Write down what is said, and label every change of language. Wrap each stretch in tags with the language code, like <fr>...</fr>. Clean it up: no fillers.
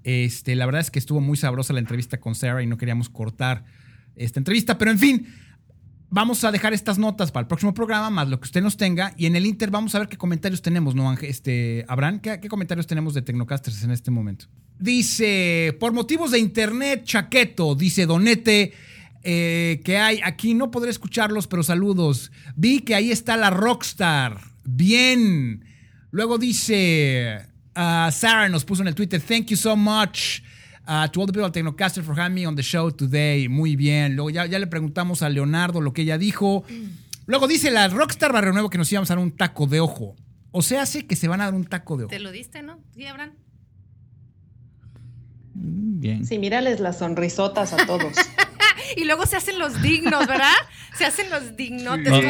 <es>La verdad es que estuvo muy sabrosa la entrevista con Sarah y no queríamos cortar esta entrevista, pero en fin, vamos a dejar estas notas para el próximo programa, más lo que usted nos tenga, y en el Inter vamos a ver qué comentarios tenemos, ¿no, Ángel? Abraham, ¿qué comentarios tenemos de Tecnocasters en este momento? Dice, por motivos de internet, Chaqueto, dice Donete, que hay aquí, no podré escucharlos, pero saludos. Vi que ahí está la Rockstar. Bien. Luego dice, Sarah nos puso en el Twitter,</es> <en>thank you so much to all the people at Tecnocaster for having me on the show today.</en> <es>Muy bien. Luego ya le preguntamos a Leonardo lo que ella dijo. Luego dice la Rockstar Barrio Nuevo que nos íbamos a dar un taco de ojo. O sea, hace que se van a dar un taco de ojo. Te lo diste, ¿no? Sí, Abraham. Bien. Sí, mírales las sonrisotas a todos. Y luego se hacen los dignos, ¿verdad? Se hacen los dignotes.</es>